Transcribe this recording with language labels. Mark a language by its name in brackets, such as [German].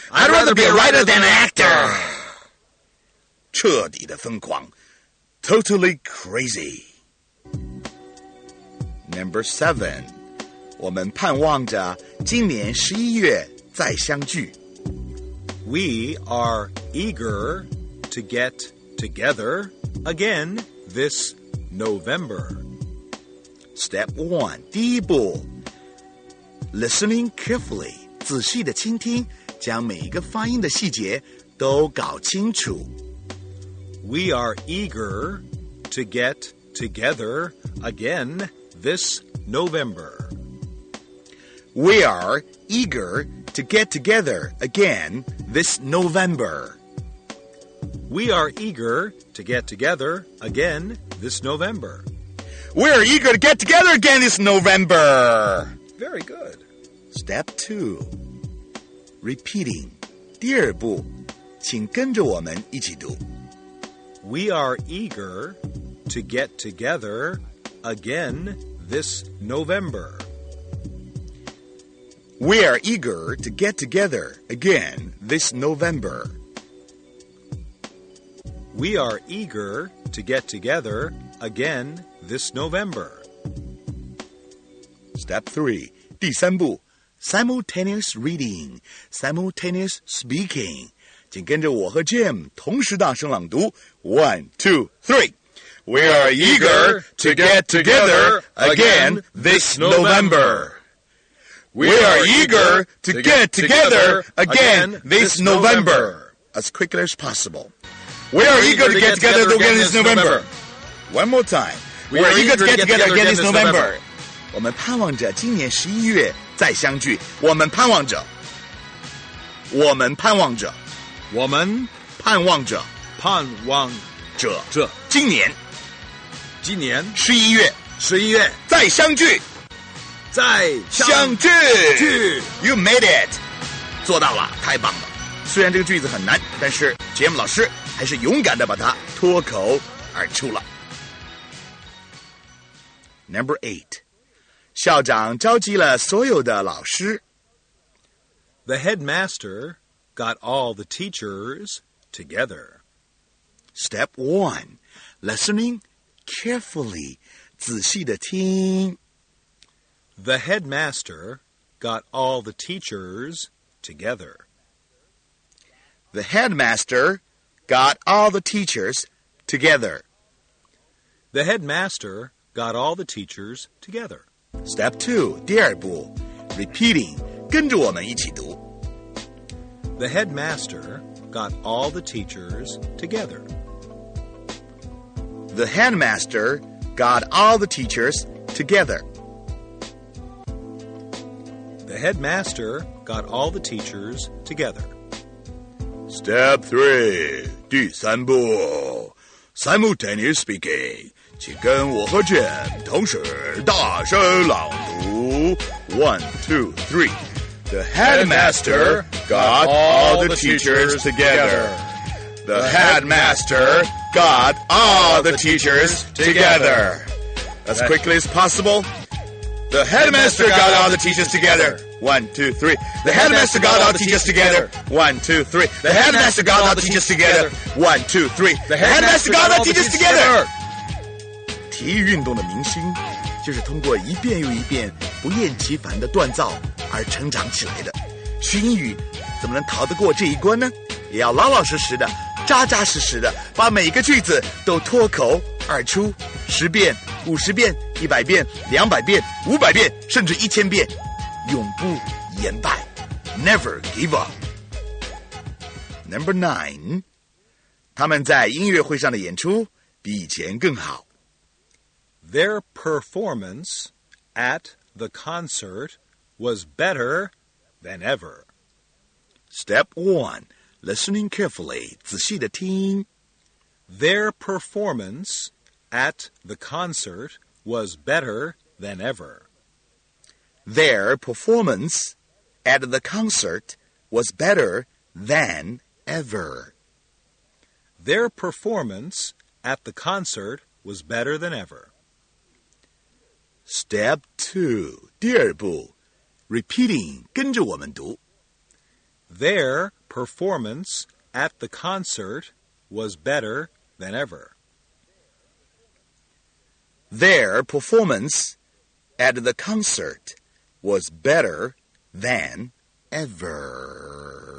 [English] I'd rather be a writer than an actor. [Chinese] 彻底的疯狂 [English] Totally crazy Number 7 [Chinese] 我们盼望着今年11月再相聚 [English] We are eager to get together again this November Step 1 [Chinese] 第一步 [English] Listening carefully [Chinese] 仔细的倾听将每一个发音的细节都搞清楚 [English] We are eager to get together again this November We are eager to get together again this November. We are eager to get together again this November. We are eager to get together again this November. Very good. Step 2. Repeating. [Chinese] 第二步,请跟着我们一起读。 [English] We are eager to get together again this November. We are eager to get together again this November. We are eager to get together again this November. Step 3. [Chinese] 第三步 [English] Simultaneous reading, simultaneous speaking. [Chinese] 请跟着我和 Jim 同时大声朗读 1, 2, 3. [English] We are eager to get together again this November. We are eager to get together again this November. As quickly as possible. We are eager to get together again this November. One more time. We are eager to get together again this November. [Chinese] 我们盼望着今年十一月再相聚。我们盼望着。我们盼望着。我们盼望着。盼望着。今年。今年。十一月。十一月。再相聚。在相聚 [English] You made it [Chinese] 做到了太棒了虽然这个句子很难但是 Jim 老师还是勇敢地把它脱口而出了 [English] Number 8 [Chinese] 校长召集了所有的老师 [English] The headmaster got all the teachers together Step 1 Listening carefully [Chinese] 仔细地听 [English] The headmaster got all the teachers together. The headmaster got all the teachers together. The headmaster got all the teachers together. Step 2, [Chinese] 第二步, [English] repeating, [Chinese] 跟着我们一起读。 [English] The headmaster got all the teachers together. The headmaster got all the teachers together. The headmaster got all the teachers together. Step 3, [Chinese] 第三步 [English] Simultaneous speaking, [Chinese] 请跟我和 Jim 同时大声朗读 1, 2, 3. [English] The headmaster got all the teachers together. The headmaster got all the teachers together. As quickly as possible, the headmaster got all the teachers together. One, two, three. The headmaster got all the teachers together. One, two, three. The headmaster got all the teachers together. One, two, three. The headmaster got all the teachers together. [Chinese] 体育运动的明星就是通过一遍又一遍不厌其烦的锻造而成长起来的。学英语怎么能逃得过这一关呢？也要老老实实的、扎扎实实的把每一个句子都脱口而出十遍、五十遍、一百遍、两百遍、五百遍，甚至一千遍。永不言败 [English] Never give up Number 9 [Chinese] 他们在音乐会上的演出比以前更好 [English] Their performance at the concert was better than ever Step 1 Listening carefully 仔细地听 Their performance at the concert was better than ever Their performance at the concert was better than ever. Their performance at the concert was better than ever. Step 2, [Chinese] 第二步, [English] repeating, [Chinese] 跟着我们读。 [English] Their performance at the concert was better than ever. Their performance at the concert was better than ever.